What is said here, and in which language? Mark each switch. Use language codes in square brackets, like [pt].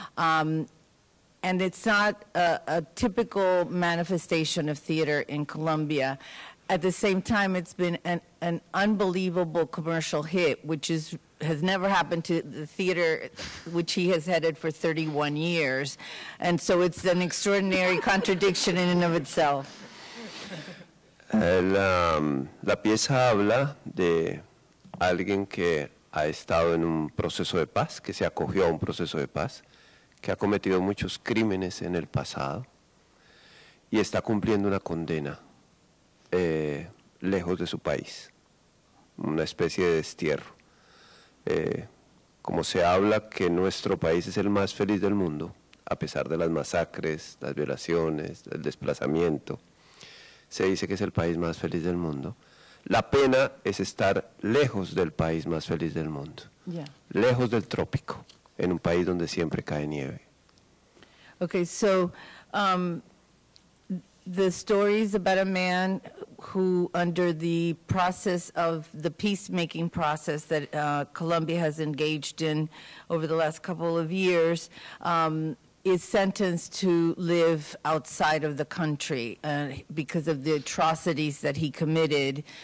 [en] And it's not a typical manifestation of theater in Colombia. At the same time, it's been an unbelievable commercial hit, which has never happened to the theater, which he has headed for 31 years. And so it's an extraordinary contradiction in and of itself. [es] La pieza habla de alguien que ha estado en un proceso de paz, que se acogió a un proceso de paz, que ha cometido muchos crímenes en el pasado y está cumpliendo una condena. Lejos de su país, una especie de destierro. Como se habla que nuestro país es el más feliz del mundo, a pesar de las masacres, las violaciones, el desplazamiento, se dice que es el país más feliz del mundo. La pena es estar lejos del país más feliz del mundo, lejos del trópico, en un país donde siempre cae nieve. [en] Okay, so the story is about a man who, under the process of the peacemaking process that Colombia has engaged in over the last couple of years, is sentenced to live outside of the country because of the atrocities that he committed.